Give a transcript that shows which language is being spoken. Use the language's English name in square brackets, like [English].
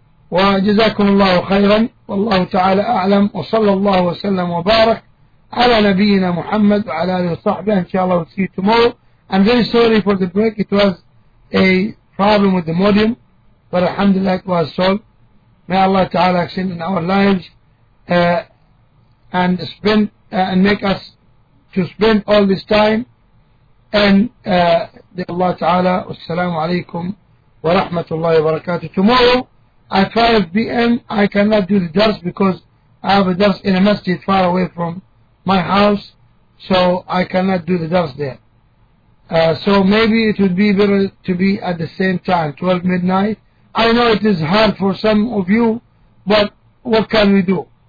[Arabic] وجزاكم الله خيرا والله تعالى أعلم وصلى الله وسلم وبارك على نبينا محمد وعلى آله وصحبه. [English] إن شاء الله we'll see you tomorrow. I'm very sorry for the break. It was a problem with the modem, but alhamdulillah it was solved. May Allah تعالى extend in our lives and spend and make us to spend all this time and الله تعالى. [Arabic] والسلام عليكم ورحمة الله وبركاته. [English] Tomorrow at 5 p.m. I cannot do the dars because I have a dars in a masjid far away from my house, so I cannot do the dars there. So maybe it would be better to be at the same time, 12 midnight. I know it is hard for some of you, but what can we do?